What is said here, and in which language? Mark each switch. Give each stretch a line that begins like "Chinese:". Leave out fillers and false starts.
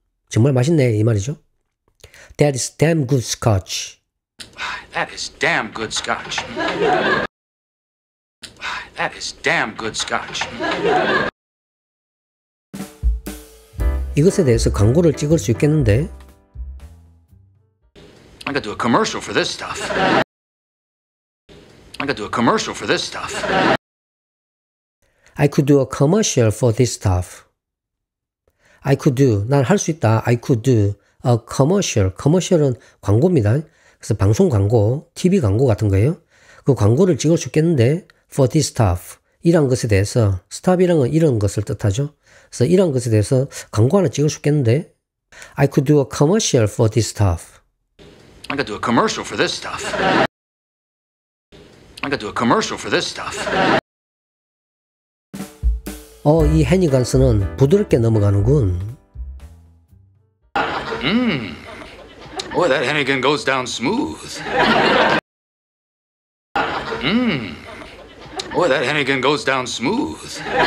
Korean: 정말 맛있네 이 말이죠.
English: That is damn good scotch. That is damn good scotch. That is damn good scotch.
Korean: 이것에 대해서 광고를 찍을 수 있겠는데?
English: I got to do a commercial for this stuff. I got to do a commercial for this stuff. I could do a commercial for this stuff. I could do
Korean: 난 할 수 있다.
English: I could do a commercial.
Korean: Commercial은 광고입니다. 그래서 방송 광고, TV 광고 같은 거예요. 그 광고를 찍을 수 있겠는데
English: for this stuff
Korean: 이란 것에 대해서 stuff이란 건 이런 것을 뜻하죠. 그래서 이런 것에 대해서 광고 하나 찍을 수 있겠는데
English: I could do a commercial for this stuff. I could do a commercial for this stuff. I could do a commercial for this stuff.
Korean: 이 해니건스는 부드럽게 넘어가는군.
English: Boy, that Hennigan goes down smooth. Boy, that Hennigan goes down smooth.